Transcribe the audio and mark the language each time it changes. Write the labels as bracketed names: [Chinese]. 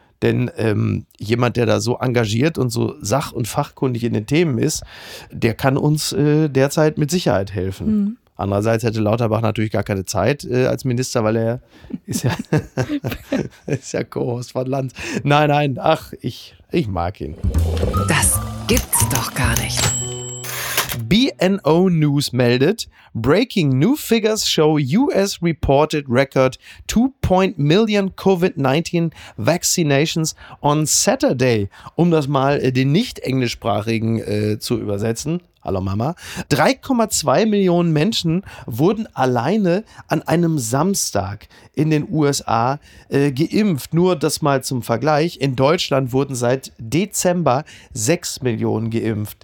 [German] Denn jemand, der da so engagiert und so sach- und fachkundig in den Themen ist, der kann uns derzeit mit Sicherheit helfen. Mhm. Andererseits hätte Lauterbach natürlich gar keine Zeit als Minister, weil er ist ja, ist ja Co-Host von Lanz. Nein, ach, ich mag ihn. Das gibt's doch gar nicht. [English] BNO News meldet, breaking new figures show US reported record 2.1 million COVID-19 vaccinations on Saturday. [German] Um das mal den nicht-englischsprachigen zu übersetzen. Hallo Mama. 3,2 Millionen Menschen wurden alleine an einem Samstag in den USA geimpft. Nur das mal zum Vergleich. In Deutschland wurden seit Dezember 6 Millionen geimpft.